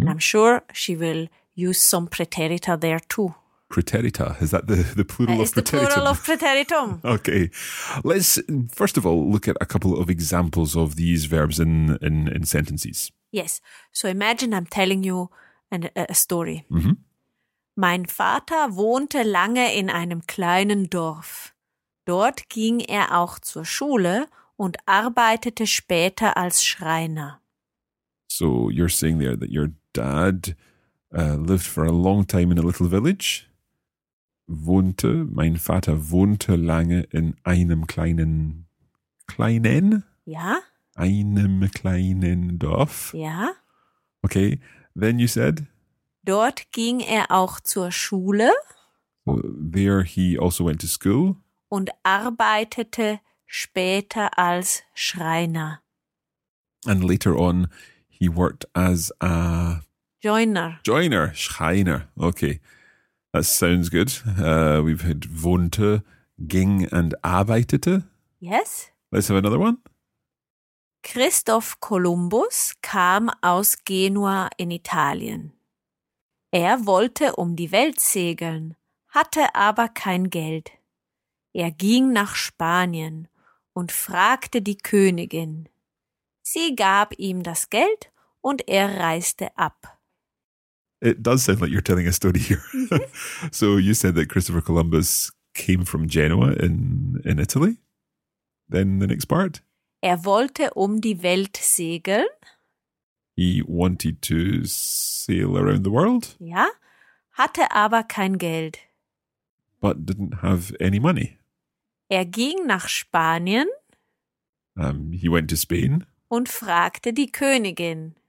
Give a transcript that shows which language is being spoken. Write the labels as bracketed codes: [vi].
[en] And I'm sure she will use some preterita there too. Preterita, is that the plural of preteritum? It's the plural of preteritum. Okay. Let's, first of all, look at a couple of examples of these verbs in sentences. Yes. So imagine I'm telling you a story. Mm-hmm. [de] Mein Vater wohnte lange in einem kleinen Dorf. Dort ging er auch zur Schule und arbeitete später als Schreiner. [en] So you're saying there that your dad lived for a long time in a little village? [de] Wohnte, mein Vater wohnte lange in einem kleinen? Ja. Einem kleinen Dorf? Ja. [en] Okay, then you said? [de] Dort ging er auch zur Schule. [en] So there he also went to school. [de] Und arbeitete später als Schreiner. [en] And later on, he worked as a... Joiner, Schreiner, okay. That sounds good. We've had wohnte, ging and arbeitete. Yes. Let's have another one. [de] Christoph Kolumbus kam aus Genua in Italien. Er wollte um die Welt segeln, hatte aber kein Geld. Er ging nach Spanien und fragte die Königin. Sie gab ihm das Geld und er reiste ab. [en] It does sound like you're telling a story here. So you said that Christopher Columbus came from Genoa in Italy. Then the next part. [de] Er wollte um die Welt segeln. [en] He wanted to sail around the world. [de] Ja, hatte aber kein Geld. [en] But didn't have any money. [de] Er ging nach Spanien. [en] He went to Spain. [de] Und fragte die Königin.